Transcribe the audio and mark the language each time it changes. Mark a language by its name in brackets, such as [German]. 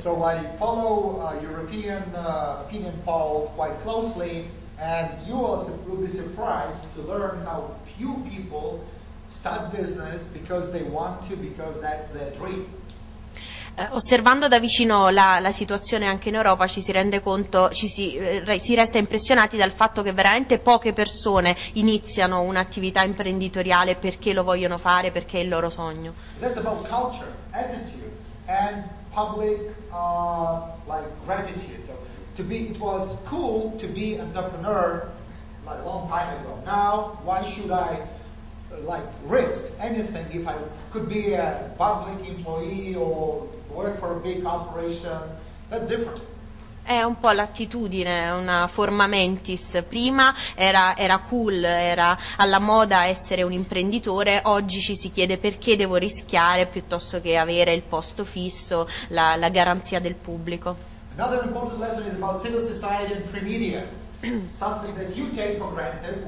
[English] So I follow European opinion polls quite closely, and you also will be surprised to learn how few people start business because they want to, because that's their dream. [Italian] Osservando da vicino la situazione anche in Europa ci si rende conto, si resta impressionati dal fatto che veramente poche persone iniziano un'attività imprenditoriale perché lo vogliono fare, perché è il loro sogno. [English] That's about culture, attitude and public like gratitude. So to be, it was cool to be an entrepreneur like a long time ago. Now why should I like risk anything if I could be a public employee or work for a big corporation? That's different. [Italian] È un po' l'attitudine, una forma mentis. Prima era cool, era alla moda essere un imprenditore. Oggi ci si chiede perché devo rischiare piuttosto che avere il posto fisso, la garanzia del pubblico. [English] Another important lesson is about civil society and free media. Something that you take for granted.